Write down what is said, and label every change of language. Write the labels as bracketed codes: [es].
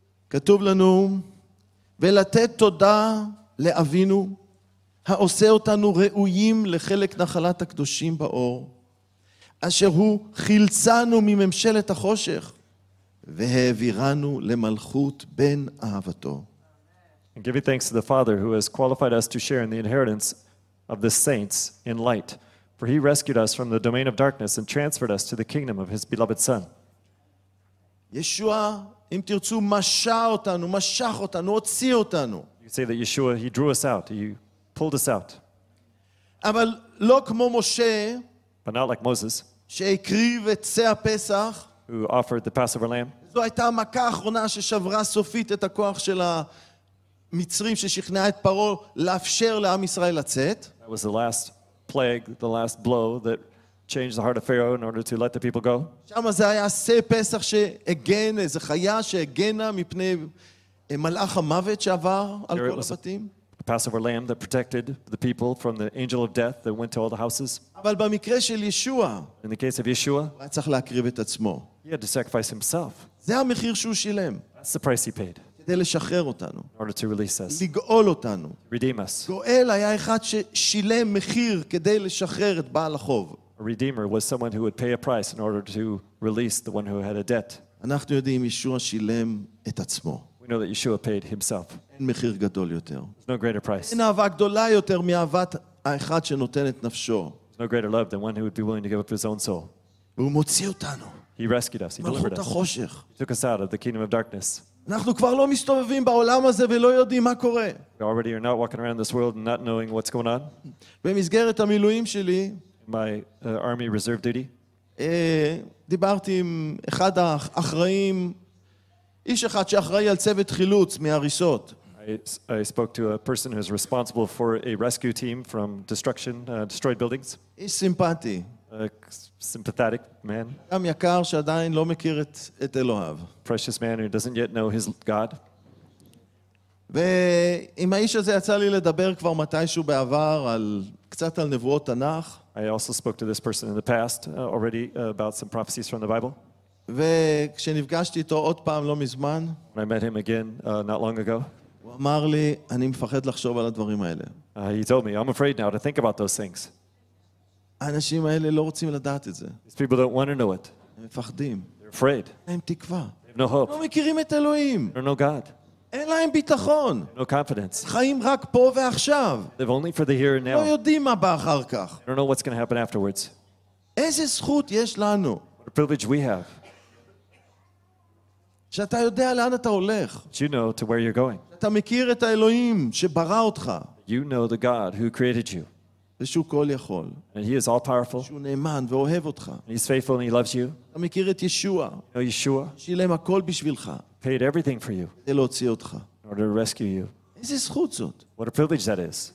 [he] כתוב לנו, ולתת תודה לאבינו, העושה אותנו ראויים לחלק נחלת הקדושים באור, אשר הוא חילצנו מממשלת החושך, והעבירנו למלכות בן אהבתו. [en] And giving thanks to the Father who has qualified us to share in the inheritance of the saints in light. For he rescued us from the domain of darkness and transferred us to the kingdom of his beloved son. [he] Yeshua, אם תרצו, משה אותנו, משך אותנו, הוציא אותנו. [en] You could say that Yeshua, he drew us out, he pulled us out. [he] אבל לא כמו משה, [en] but not like Moses, [he] שהקריב את צי הפסח, [en] who offered the Passover lamb. [he] זו הייתה המכה האחרונה ששברה סופית את הכוח של המצרים ששכנע את פרעה לאפשר לעם ישראל לצאת. [en] That was the last plague, the last blow that changed the heart of Pharaoh in order to let the people go. [he] שם זה היה צי פסח שהגן, איזה חיה שהגנה מפני מלאך המוות שעבר על כל הבתים. [en] The Passover lamb that protected the people from the angel of death that went to all the houses. [he] אבל במקרה של ישוע, [en] in the case of Yeshua, [he] הוא צריך להקריב את עצמו. [en] He had to sacrifice himself. [he] זה המחיר שהוא שילם. [en] That's the price he paid. [he] כדי לשחרר אותנו. [en] In order to release us. [he] לגאול אותנו. [en] Redeem us. [he] גואל היה אחד ששילם מחיר כדי לשחרר את בעל החוב. [en] A redeemer was someone who would pay a price in order to release the one who had a debt. [he] אנחנו יודעים ישוע שילם את עצמו. [en] We know that Yeshua paid himself. [he] אין מחיר גדול יותר. [en] There's no greater price. [he] אין אהבה גדולה יותר מאהבת האחד שנותן את נפשו. [en] There's no greater love than one who would be willing to give up his own soul. [he] והוא מוציא אותנו. [en] He rescued us. He delivered us. He took us out of the kingdom of darkness. [he] אנחנו כבר לא מסתובבים בעולם הזה ולא יודעים מה קורה. [en] We already are not walking around this world and not knowing what's going on. [he] במסגרת המילואים שלי, [en] my army reserve duty, [he] דיברתי עם אחד האחראים, איש אחד שאחראי על צוות חילוץ מהריסות. [en] I spoke to a person who is responsible for a rescue team from destruction, destroyed buildings. [he] איש סימפטי. [en] A sympathetic man. [he] גם יקר שעדיין לא מכיר את אלוהיו. [en] Precious man who doesn't yet know his God. [he] ועם האיש הזה יצא לי לדבר כבר מתישהו בעבר על קצת על נבואות תנך. [en] I also spoke to this person in the past already about some prophecies from the Bible. [he] וכשנפגשתי איתו עוד פעם לא מזמן, [en] when I met him again not long ago, [he] הוא אמר לי, אני מפחד לחשוב על הדברים האלה. [en] He told me, I'm afraid now to think about those things. [he] האנשים האלה לא רוצים לדעת את זה. [en] These people don't want to know it. [he] הם מפחדים. [en] They're afraid. [he] אין להם תקווה. [en] They have no hope. [he] לא מכירים את אלוהים. [en] They don't know God. [he] אין להם ביטחון. [en] They have no confidence. [he] חיים רק פה ועכשיו. [en] They've only for the here and now. [he] לא יודעים מה בא אחר כך. [en] They don't know what's going to happen afterwards. [he] איזה זכות יש לנו? [en] What a privilege we have. [he] שאתה יודע לאן אתה הולך. [en] You know to where you're going. [he] אתה מכיר את האלוהים שברא אותך. [en] You know the God who created you. [he] ושהוא כל יכול. [en] And he is all powerful. [he] שהוא נאמן ואוהב אותך. [en] And he's faithful and he loves you. [he] אתה מכיר את ישוע. [en] You know Yeshua. [he] שילם הכל בשבילך. [en] Paid everything for you. [he] כדי להוציא אותך. [en] In order to rescue you. [he] איזה זכות זאת. [en] What a privilege that is.